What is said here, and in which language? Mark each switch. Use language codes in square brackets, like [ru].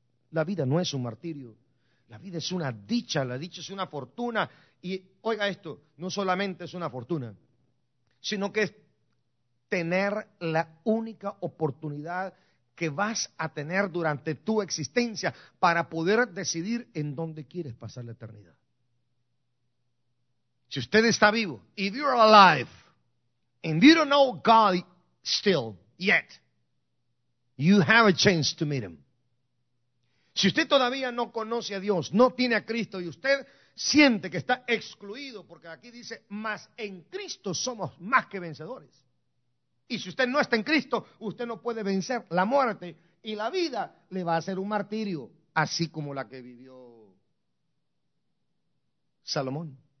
[es] La vida no es un martirio, la vida es una dicha, la dicha es una fortuna, y oiga esto, no solamente es una fortuna, sino que es tener la única oportunidad que vas a tener durante tu existencia para poder decidir en dónde quieres pasar la eternidad. Si usted está vivo, [en] if you're alive, and you don't know God still, yet, you have a chance to meet him. [es] Si usted todavía no conoce a Dios, no tiene a Cristo, y usted siente que está excluido, porque aquí dice, mas en Cristo somos más que vencedores. Y si usted no está en Cristo, usted no puede vencer la muerte. Y la vida le va a hacer un martirio, así como la que vivió Salomón.